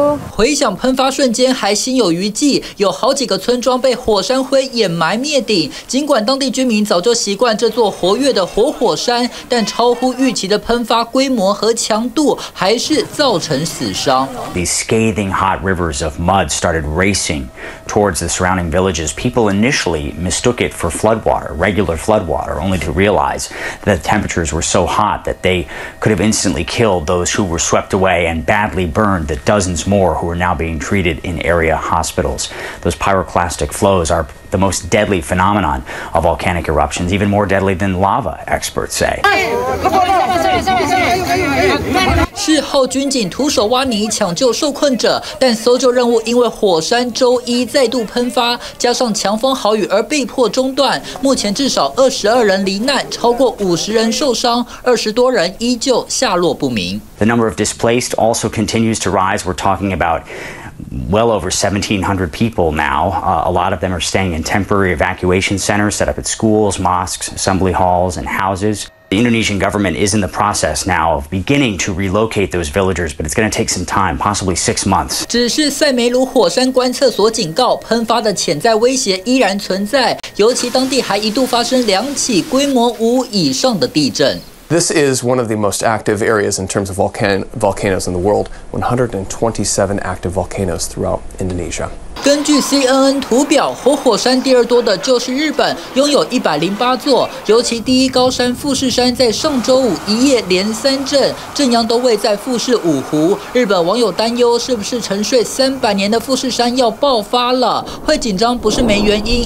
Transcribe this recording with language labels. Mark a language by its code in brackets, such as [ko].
[zh] 回想喷发瞬间还心有余悸，有好几个村庄被火山灰掩埋灭顶。尽管当地居民早就习惯这座活跃的活火山，但超乎预期的喷发规模和强度还是造成死伤。 [en] These scathing hot rivers of mud started racing towards the surrounding villages. People initially mistook it for flood water, regular flood water, only to realize that the temperatures were so hot that they could have instantly killed those who were swept away and badly burned the dozens more who are now being treated in area hospitals. Those pyroclastic flows are the most deadly phenomenon of volcanic eruptions, even more deadly than lava, experts say. [zh] 事后军警徒手挖泥抢救受困者，但搜救任务因为火山周一再度喷发，加上强风豪雨而被迫中断。目前至少22人罹难，超过50人受伤，20多人依旧下落不明。 [en] The number of displaced also continues to rise. We're talking about well over 1,700 people now. A lot of them are staying in temporary evacuation centers set up at schools, mosques, assembly halls, and houses. The Indonesian government is in the process now of beginning to relocate those villagers, but it's going to take some time, possibly 6 months. [zh] 只是塞梅鲁火山观测所警告，喷发的潜在威胁依然存在，尤其当地还一度发生2起规模5以上的地震。 [en] This is one of the most active areas in terms of volcanoes in the world, 127 active volcanoes throughout Indonesia. [zh] 根据 CNN 图表，活 火山第二多的就是日本，拥有108座，尤其第一高山富士山在上周五一夜连三震，震央都位在富士五湖。日本网友担忧是不是沉睡300年的富士山要爆发了，会紧张不是没原因。